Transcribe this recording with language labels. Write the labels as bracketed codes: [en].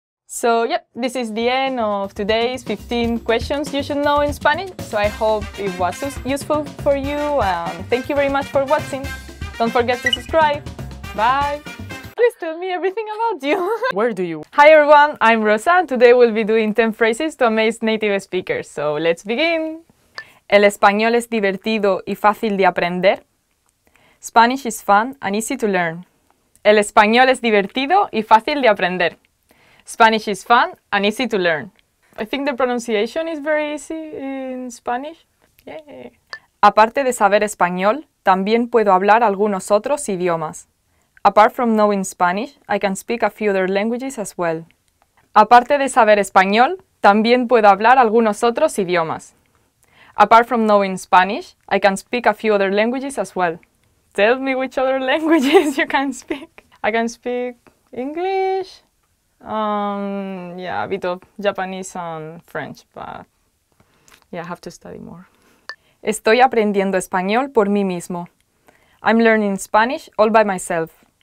[en] So, yeah, this is the end of today's 15 questions you should know in Spanish. So I hope it was useful for you, and thank you very much for watching. Don't forget to subscribe. Bye. Please tell me everything about you. Where do you? Hi everyone, I'm Rosa, and today we'll be doing 10 phrases to amaze native speakers. So let's begin. [es] El español es divertido y fácil de aprender. [en] Spanish is fun and easy to learn. [es] El español es divertido y fácil de aprender. [en] Spanish is fun and easy to learn. I think the pronunciation is very easy in Spanish. Yeah. [es] Aparte de saber español, también puedo hablar algunos otros idiomas. [en] Apart from knowing Spanish, I can speak a few other languages as well. [es] Aparte de saber español, también puedo hablar algunos otros idiomas. [en] Apart from knowing Spanish, I can speak a few other languages as well. Tell me which other languages you can speak. I can speak English, a bit of Japanese and French, but yeah, I have to study more. [es] Estoy aprendiendo español por mí mismo. [en] I'm learning Spanish all by myself.